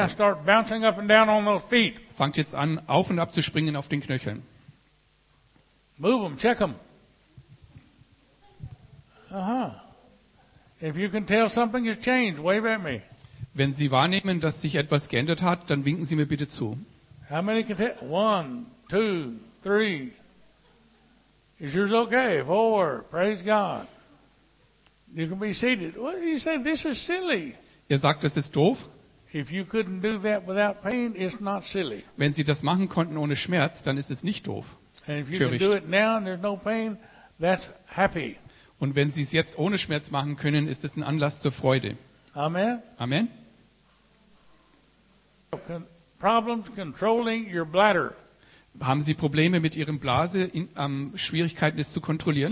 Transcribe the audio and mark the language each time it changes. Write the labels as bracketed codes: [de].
[en] Now start bouncing up and down on those feet. [de] Fangt jetzt an, auf und ab zu springen auf den Knöcheln. [en] Move them, check them. Uh-huh. If you can tell something has changed, wave at me. [de] Wenn Sie wahrnehmen, dass sich etwas geändert hat, dann winken Sie mir bitte zu. [en] How many can tell? 1, 2, 3. Is yours okay? 4. Praise God. You can be seated. What do you say? This is silly. [de] Ihr sagt, das ist doof. [en] If you couldn't do that without pain, it's not silly. [de] Wenn Sie das machen konnten ohne Schmerz, dann ist es nicht doof. [en] And if you can do it now and there's no pain, that's happy. [de] Und wenn Sie es jetzt ohne Schmerz machen können, ist es ein Anlass zur Freude. [en] Amen. [de] Amen. [en] Problems controlling your bladder. [de] Haben Sie Probleme mit Ihrem Blase, Schwierigkeiten es zu kontrollieren?